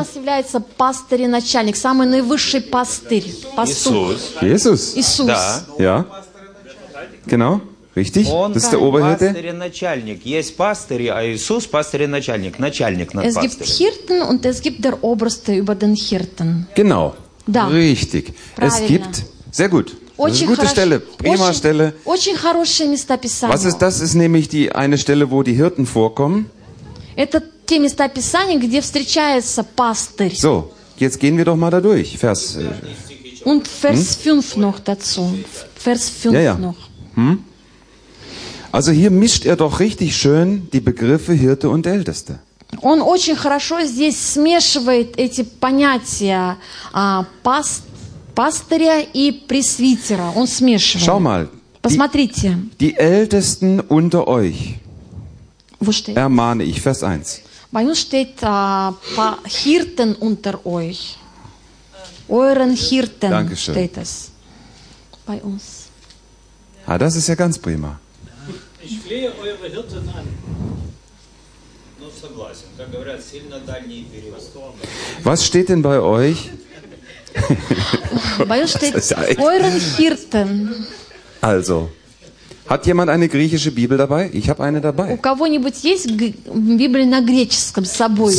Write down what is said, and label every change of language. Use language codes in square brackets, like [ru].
[ru] Кто у нас является пастырь и начальник, самый наивысший пастырь, пастух? [de] Jesus. Jesus. [ru] Да. [de] Ja. Genau. Richtig? Das ist der Oberhirte. [ru] Пастырь и начальник. Есть пастырь, а Иисус пастырь и начальник. Начальник над пастырем. [de] Es gibt Hirten und es gibt der Oberste über den Hirten. Genau. [ru] Да. [de] Richtig. [ru] Правильно. [de] Es gibt. Sehr gut. Das ist eine gute Stelle, prima Stelle. [ru] Очень хорошее местописание. [de] Was ist das? Ist nämlich die eine Stelle, wo die Hirten vorkommen. [ru] Это те места писания, где встречается пастырь. [de] So, jetzt gehen wir doch mal da durch. Vers. Und Vers 5 noch dazu. Vers 5 noch. Also hier mischt er doch richtig schön die Begriffe Hirte und Älteste. [ru] Он очень хорошо здесь смешивает эти понятия, пастыря и пресвитера. Он смешивает. [de] Schau mal. [ru] Посмотрите. [de] Die Ältesten unter euch. Wo steht? Ermahne ich, Vers 1. Bei uns steht Hirten unter euch. Euren Hirten. Dankeschön. Steht es. Bei uns. Ah, ja, das ist ja ganz prima. Ich flehe eure Hirten an. [ru] Ну, согласен. Как говорят, сильно дальний перевод. [de] Was steht denn bei euch? Bei uns steht euren Hirten. Also, hat jemand eine griechische Bibel dabei? Ich habe eine dabei. [ru] У кого-нибудь есть Библия на греческом с собой?